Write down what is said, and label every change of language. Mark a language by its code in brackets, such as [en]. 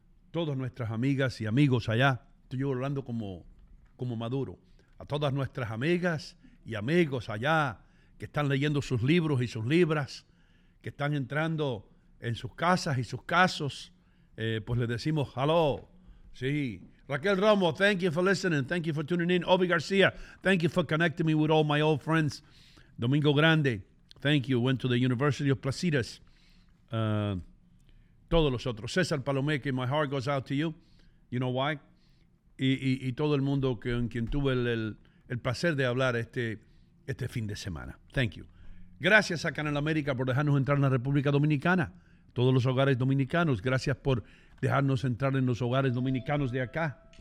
[es] Todas nuestras amigas y amigos allá. Estoy hablando como Maduro. A todas nuestras amigas y amigos allá que están leyendo sus libros y sus libras, que están entrando en sus casas y sus casos, pues les decimos, hello. Sí. [en] Raquel Romo, thank you for listening. Thank you for tuning in. Obi García, thank you for connecting me with all my old friends. Domingo Grande, thank you. Went to the University of Placidas. [es] Todos los otros. [en] César Palomeque, my heart goes out to you. You know why? [es] Y todo el mundo con quien tuve el placer de hablar este fin de semana. [en] Thank you. [es] Gracias a Canal América por dejarnos entrar en la República Dominicana. Todos los hogares dominicanos. Gracias por dejarnos entrar en los hogares dominicanos de acá.